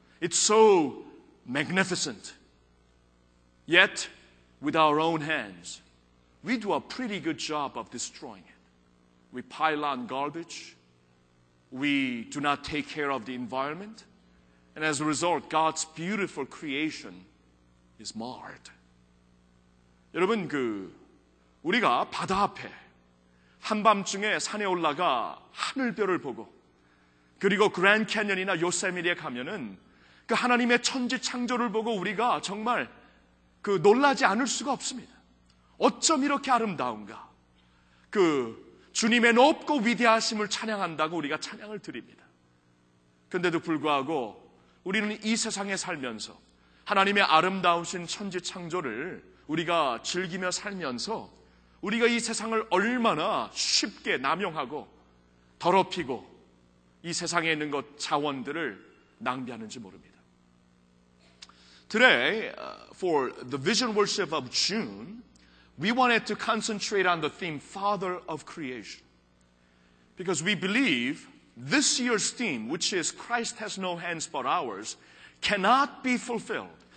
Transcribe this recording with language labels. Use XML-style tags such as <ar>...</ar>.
<en>It's so magnificent. Yet, with our own hands, we do a pretty good job of destroying it. We pile on garbage. We do not take care of the environment. And as a result, God's beautiful creation is marred.</en> <ko>여러분, 그 우리가 바다 앞에 한밤중에 산에 올라가 하늘별을 보고 그리고 그랜드 캐니언이나 요세미니에 가면은 그 하나님의 천지 창조를 보고 우리가 정말 그 놀라지 않을 수가 없습니다. 어쩜 이렇게 아름다운가? 그 주님의 높고 위대하심을 찬양한다고 우리가 찬양을 드립니다. 근데도 불구하고 우리는 이 세상에 살면서 하나님의 아름다우신 천지 창조를 우리가 즐기며 살면서 우리가 이 세상을 얼마나 쉽게 남용하고 더럽히고 이 세상에 있는 것 자원들을 낭비하는지 모릅니다.</ko> <en>Today, for the Vision Worship of June, we wanted to concentrate on the theme Father of Creation. Because we believe this year's theme, which is Christ has no hands but ours, cannot be fulfilled.</en>